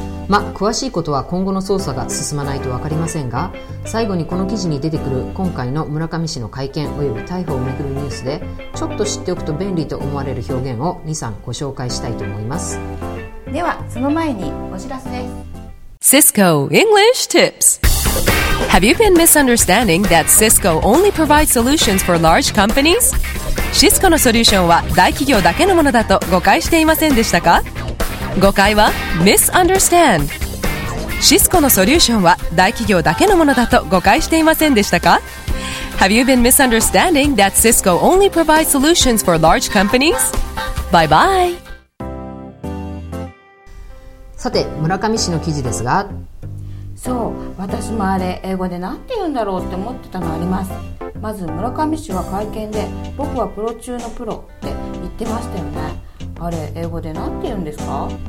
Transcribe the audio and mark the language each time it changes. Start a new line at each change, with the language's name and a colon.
Japanese: ま、詳しいことは今後の捜査が進まないと分かりませんが、最後にこの記事に出てくる今回の村上氏の会見および逮捕をめぐるニュースで、ちょっと知っておくと便利と思われる表現を 2,3 ご紹介したいと思います。ではその前にお知らせです。
English: Cisco English Tips。 Have you been misunderstanding that Cisco only provides solutions for large companies?
Japanese: Cisco のソリューションは大企業だけのものだと誤解していませんでしたか？誤解は misunderstand。 Cisco のソリューションは大企業だけのものだと誤解していませんでしたか？
English: Have you been misunderstanding that Cisco only provides solutions for large companies? Bye bye。
Japanese: さて村上氏の記事ですが、そう、私もあれ英語で何て言うんだろうって思ってたのあります。まず村上氏は会見で僕はプロ中のプロって言ってましたよね。あれ英語で何て言うんですか？